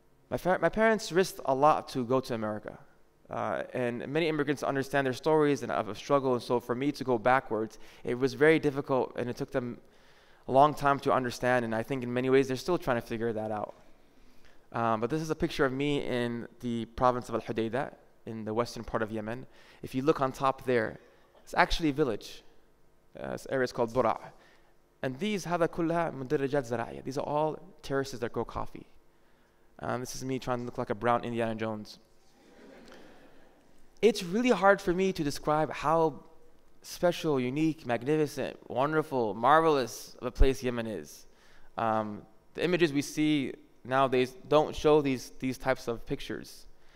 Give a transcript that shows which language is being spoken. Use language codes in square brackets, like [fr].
[en] My parents risked a lot to go to America. And many immigrants understand their stories and of a struggle, and so for me to go backwards, it was very difficult, and it took them a long time to understand, and I think in many ways they're still trying to figure that out. But this is a picture of me in the province of Al-Hudaydah in the western part of Yemen. If you look on top there, it's actually a village. This area is called Bura'. And these, [ar] هذا كلها مدرجات زراعية. [en] These are all terraces that grow coffee. This is me trying to look like a brown Indiana Jones. It's really hard for me to describe how special, unique, magnificent, wonderful, marvelous of a place Yemen is. The images we see nowadays don't show these types of pictures.